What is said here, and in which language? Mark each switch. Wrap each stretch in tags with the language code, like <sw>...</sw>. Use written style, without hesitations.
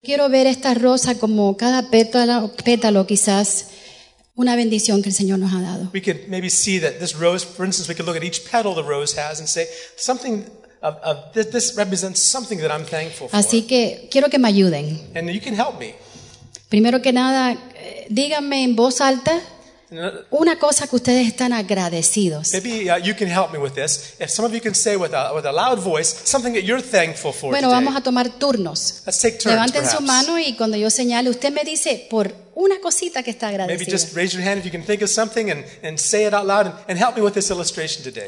<es>Quiero ver esta rosa como cada pétalo quizás una bendición que el Señor nos ha dado.</es> <en>We could maybe see that this rose, for instance, we could look at each petal the rose has and say something of this represents something that I'm thankful for.</en> <es>Así que quiero que me ayuden.</es> <en>And you can help me.</en> <es>Primero que nada, díganme en voz alta una cosa que ustedes están agradecidos.</es> <en>Maybe you can help me with this. If some of you can say with a loud voice something that you're thankful for.</en> <es>Bueno,</es> <en>today.</en> <es>Vamos a tomar turnos.</es> <en>Let's take turns.</en> <es>Levanten</es> <en>perhaps</en> <es>su mano y cuando yo señale, usted me dice por una cosita que está agradecido.</es> <en>Maybe just raise your hand if you can think of something and say it out loud and help me with this illustration today.</en>